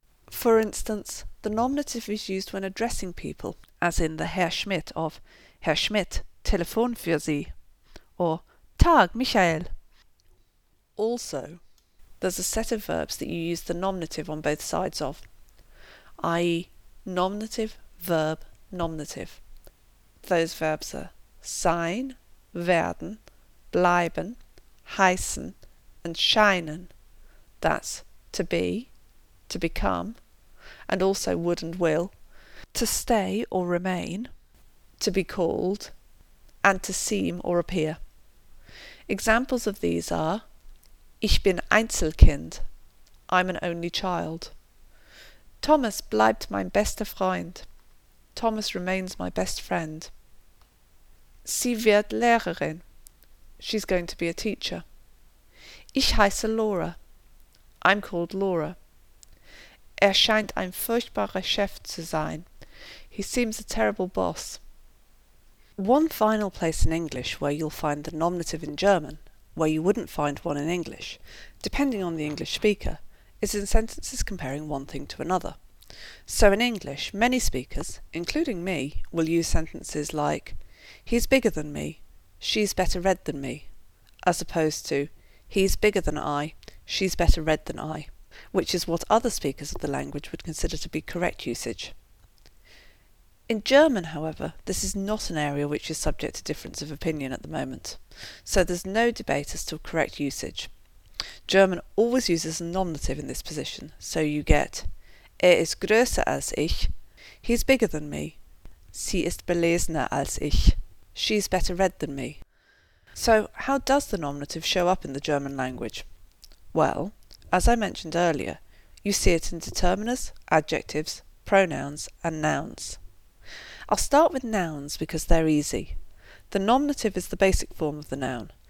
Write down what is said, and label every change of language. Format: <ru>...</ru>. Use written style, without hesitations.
<en>For instance, the nominative is used when addressing people, as in the Herr Schmidt of</en> <de>Herr Schmidt, Telefon für Sie,</de> <en>or</en> <de>Tag, Michael.</de> <en>Also, there's a set of verbs that you use the nominative on both sides of, i.e. nominative, verb, nominative. Those verbs are</en> <de>sein, werden, bleiben, heißen,</de> <en>and</en> <de>scheinen.</de> <en>That's to be, to become, and also would and will, to stay or remain, to be called, and to seem or appear. Examples of these are,</en> <de>ich bin Einzelkind,</de> <en>I'm an only child.</en> <de>Thomas bleibt mein bester Freund,</de> <en>Thomas remains my best friend.</en> <de>Sie wird Lehrerin,</de> <en>she's going to be a teacher.</en> <de>Ich heiße Laura,</de> <en>I'm called Laura.</en> <de>Scheint ein furchtbarer Chef zu sein.</de> <en>He seems a terrible boss. One final place in English where you'll find the nominative in German, where you wouldn't find one in English, depending on the English speaker, is in sentences comparing one thing to another. So in English, many speakers, including me, will use sentences like, he's bigger than me, she's better read than me, as opposed to, he's bigger than I, she's better read than I, which is what other speakers of the language would consider to be correct usage. In German, however, this is not an area which is subject to difference of opinion at the moment, so there's no debate as to correct usage. German always uses a nominative in this position, so you get,</en> <de>ist größer als ich,</de> <en>he's bigger than me,</en> <de>sie ist belesener als ich,</de> <en>she's better read than me. So, how does the nominative show up in the German language? Well, as I mentioned earlier, you see it in determiners, adjectives, pronouns, and nouns. I'll start with nouns because they're easy. The nominative is the basic form of the noun.</en>